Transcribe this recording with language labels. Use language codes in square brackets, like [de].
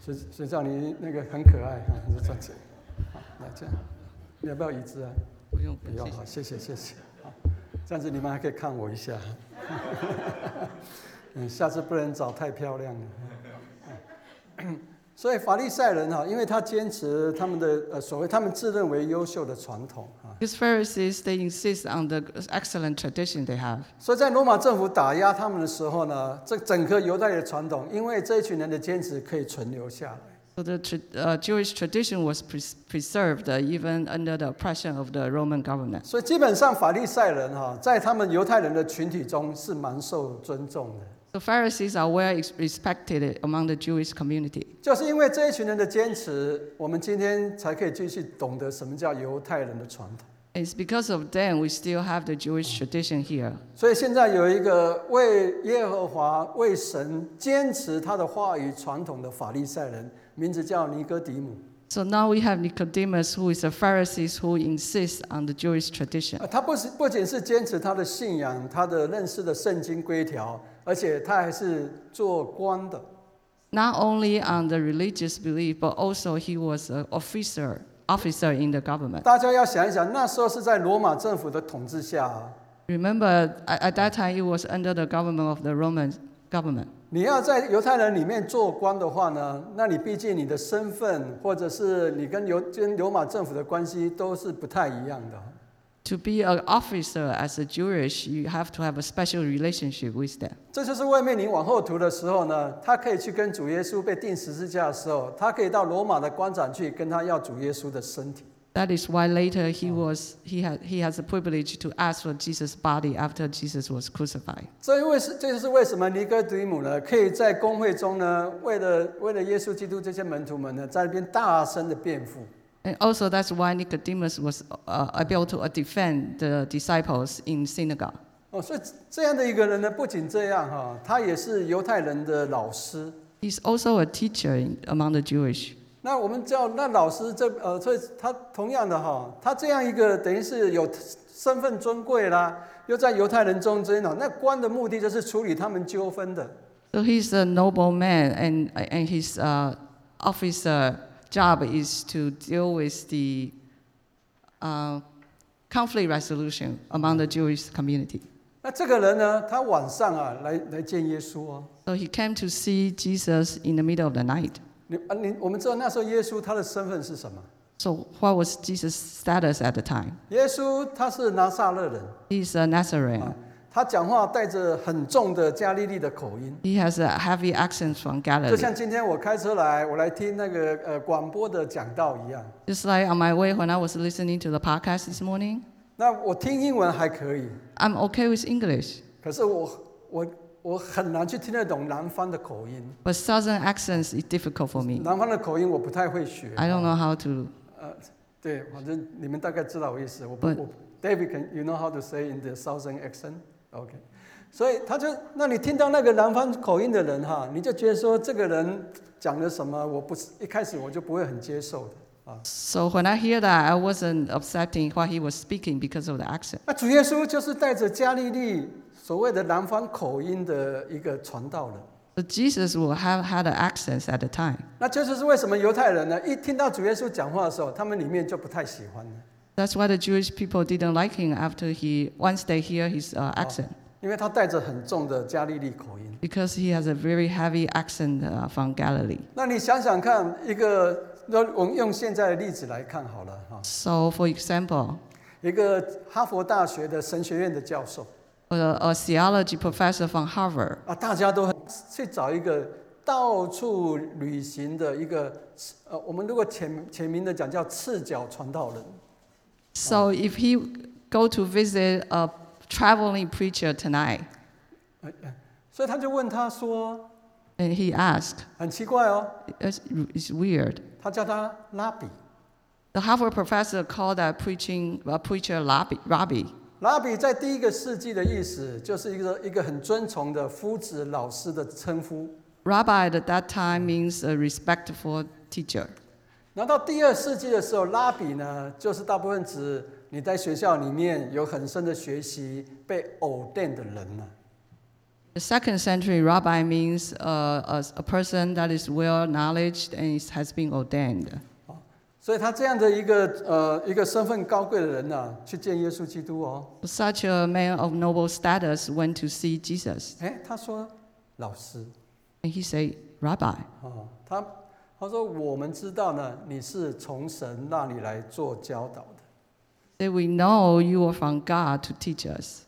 [zh] 谁叫你那个很可爱啊？就站起来，这样，你要不要椅子啊？不用，不用，好，谢谢。这样子你们还可以看我一下下次不能找太漂亮了所以法利赛人因为他坚持他们的所谓他们自认为优秀的传统 [en] These Pharisees, they insist on the excellent tradition they have [zh] 所以在罗马政府打压他们的时候呢这整个犹太的传统因为这一群人的坚持可以存留下来 [en] So the Jewish tradition was preserved even under the oppression of the Roman government. [zh] 所以基本上法利赛人在他们犹太人的群体中是蛮受尊重的。 [en] The Pharisees are well respected among the Jewish community. [zh] 就是因为这一群人的坚持，我们今天才可以继续懂得什么叫犹太人的传统。 [en] It's because of them we still have the Jewish tradition here. [zh] 所以现在有一个为耶和华、为神坚持他的话语传统的法利赛人。名字叫尼哥底母。 [en] So now we have Nicodemus, who is a Pharisee who insists on the Jewish tradition. [zh] 他不仅是坚持他的信仰，他的认识的圣经规条，而且他还是做官的。 [en] Not only on the religious belief, but also he was an officer in the government. [zh] 大家要想一想，那时候是在罗马政府的统治下。 [en] Remember, at that time it was under the government of the Roman government. [zh] 你要在犹太人里面做官的话呢，那你毕竟你的身份，或者是你跟罗马政府的关系都是不太一样的。 [en] To be an officer as a Jewish, you have to have a special relationship with them. [zh] 这就是外面你往后读的时候呢，他可以去跟主耶稣被钉十字架的时候，他可以到罗马的官长去跟他要主耶稣的身体。 [en] That is why later he has the privilege to ask for Jesus' body after Jesus was crucified. [zh] 这就是为什么尼哥底母呢，可以在公会中呢，为了耶稣基督这些门徒们呢，在那边大声的辩护。 [en] And also that's why Nicodemus was able to defend the disciples in synagogue. [zh] 所以这样的一个人呢，不仅这样哈，他也是犹太人的老师。 [en] He's also a teacher among the Jewish. [zh] 那我们叫那老师这所以他同样的哈，他这样一个等于是有身份尊贵啦，又在犹太人中间那官的目的就是处理他们纠纷的。 [en] So he's a noble man, and his officer job is to deal with the conflict resolution among the Jewish community. [zh] 那这个人呢，他晚上啊来见耶稣哦。 [en] So he came to see Jesus in the middle of the night. [zh] 我们知道那时候耶稣他的身份是什么 [en] So what was Jesus' status at the time? [zh] 耶稣他是拿撒勒人。 [en] He's a Nazarene. [zh] 他讲话带着很重的加利利的口音。 [en] He has a heavy accent from Galilee. [zh] 就像今天我开车来，我来听那个广播的讲道一样。 [en] Just like on my way when I was listening to the podcast this morning. [zh] 那我听英文还可以。 [en] I'm okay with English. [zh] 可是我很难去听得懂南方的口音。 [en] But Southern accents is difficult for me. [zh] 南方的口音我不太会学。 [en] I don't know how to. [zh] 对，反正你们大概知道我意思。我不 [en] But, [zh] 我 [en] David, can you know how to say in the Southern accent? Okay. [zh] 所以他就，那你听到那个南方口音的人哈，你就觉得说这个人讲的什么，我不是一开始我就不会很接受的。 [en] So when I hear that, I wasn't upsetting what he was speaking because of the accent. [zh] 那主耶稣就是带着加利利。所谓的南方口音的一个传道人 [en] Jesus will have had an accent at the time. [zh] 那这就是为什么犹太人呢？一听到主耶稣讲话的时候，他们里面就不太喜欢了。 [en] That's why the Jewish people didn't like him after he once they hear his accent. [zh] 因为他带着很重的加利利口音。 [en] Because he has a very heavy accent from Galilee. [zh] 那你想想看，一个我们用现在的例子来看好了。 [en] So for example, [zh] 一个哈佛大学的神学院的教授。 [en] A theology professor from Harvard. [zh] 啊，大家都去找一个到处旅行的一个我们如果浅明的讲叫赤脚传道人。 [en] So if he go to visit a traveling preacher tonight, [zh] 所以他就问他说 [en] ，And he asked, [zh] 很奇怪哦 [en] ，It's weird. [zh] 他叫他拉比。 [en] The Harvard professor called that preacher Rabbi. [zh] 拉比在第一个世纪的意思就是一个很尊崇的夫子老师的称呼。 [en] Rabbi at that time means a respectful teacher. [zh] 然后到第二世纪的时候，拉比呢，就是大部分指你在学校里面有很深的学习被ordained的人了。 [en] The second century rabbi means a person that is well knowledged and has been ordained. [zh] 所以他这样的一个身份高贵的人呢、啊，去见耶稣基督哦。 [en] Such a man of noble status went to see Jesus. [zh] 哎，他说，老师。 [en] And he said, Rabbi. 哦， [zh] 他说我们知道呢，你是从神那里来做教导的。 [en] Say we know you are from God to teach us.